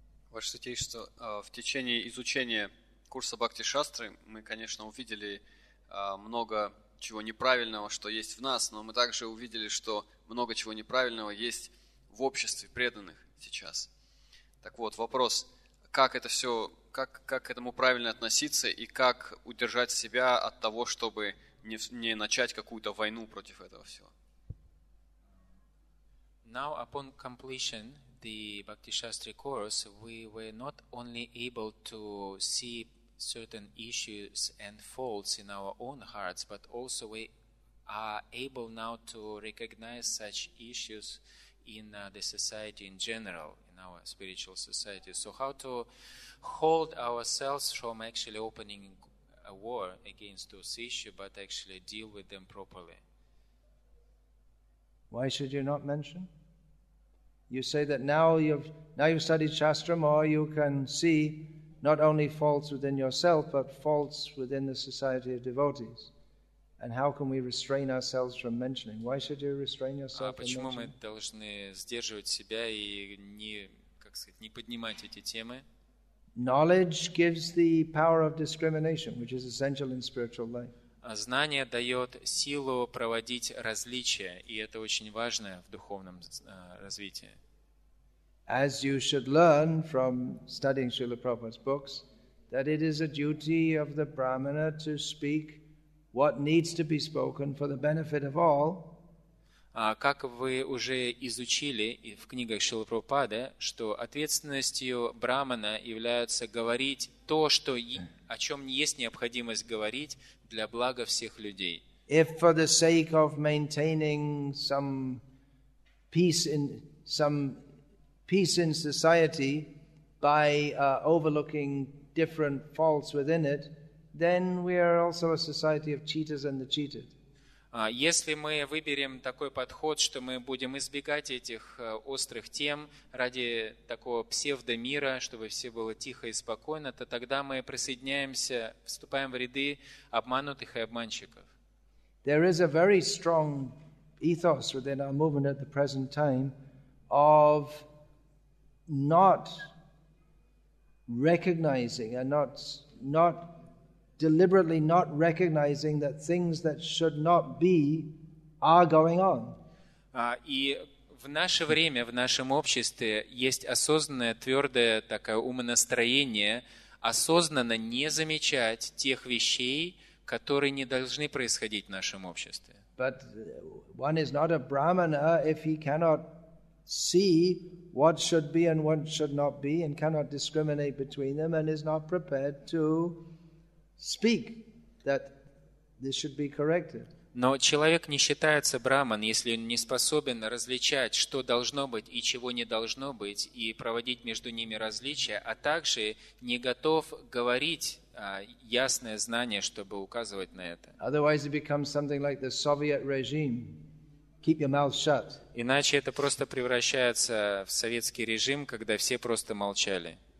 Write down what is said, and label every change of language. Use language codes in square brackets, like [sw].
[ru] Ваше святейшество, в течение изучения курса Бхакти-шастры мы, конечно, увидели много чего неправильного, что есть в нас, но мы также увидели, что много чего неправильного есть в обществе преданных сейчас. Так вот, вопрос, как это все, как к этому правильно относиться и как удержать себя от того, чтобы не начать какую-то войну против этого всего. [en] Now upon completion the Bhakti Shastri course, we were not only able to see certain issues and faults in our own hearts, but also we are able now to recognize such issues in the society in general, in our spiritual society. So how to hold ourselves from actually opening a war against those issues, but actually deal with them properly? Why should you not mention? You say that now you've studied Shastra more, you can see not only faults within yourself, but faults within the society of devotees. And how can we restrain ourselves from mentioning? Why should you restrain yourself from mentioning? [ru] А почему мы должны сдерживать себя и не, как сказать, не поднимать эти темы? [en] Knowledge gives the power of discrimination, which is essential in spiritual life. [ru] Знание дает силу проводить различия, и это очень важно в духовном развитии. [en] As you should learn from studying Srila Prabhupada's books, that it is a duty of the brahmana to speak what needs to be spoken for the benefit of all. [ru] Как вы уже изучили в книгах Шрилы Прабхупады, что ответственностью брахмана является говорить то, что о чем есть необходимость говорить для блага всех людей. [en] If for the sake of maintaining some peace in society by overlooking different faults within it, then we are also a society of cheaters and the cheated. [ru] Если мы выберем такой подход, что мы будем избегать этих острых тем ради такого псевдомира, чтобы все было тихо и спокойно, то тогда мы присоединяемся, вступаем в ряды обманутых и обманщиков. [en] There is a very strong ethos within our movement at the present time of not recognizing and not deliberately not recognizing that things that should not be are going on. [ru] И в наше время, в нашем обществе есть осознанное, твердое такое умонастроение осознанно не замечать тех вещей, которые не должны происходить в нашем обществе. [en] But one is not a brahmana if he cannot see what should be and what should not be and cannot discriminate between them and is not prepared to speak that this should be corrected. [ru] Но человек не считается брахман, если он не способен различать, что должно быть и чего не должно быть, и проводить между ними различия, а также не готов говорить ясное знание, чтобы указывать на это. [en] Otherwise, it becomes something like the Soviet regime. Keep your mouth shut. [ru] Иначе это просто превращается в советский режим, когда все просто молчали.